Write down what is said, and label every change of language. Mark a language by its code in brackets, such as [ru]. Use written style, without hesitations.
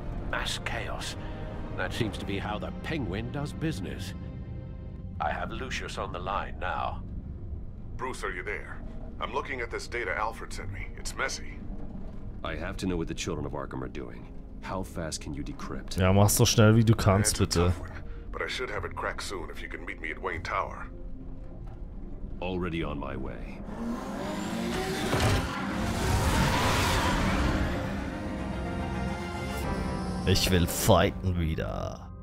[en] Mass chaos. That seems to be how the Penguin does business. I have Lucius on the line now. Bruce, are you there? I'm looking at this data Alfred sent me. It's messy. I have to know what the children of Arkham are doing. How fast can you decrypt? [de] Ja, mach so schnell wie du kannst, bitte. [en] But I should have it cracked soon if you can meet me at Wayne Tower. Already on my way. [de] Ich will fighten wieder.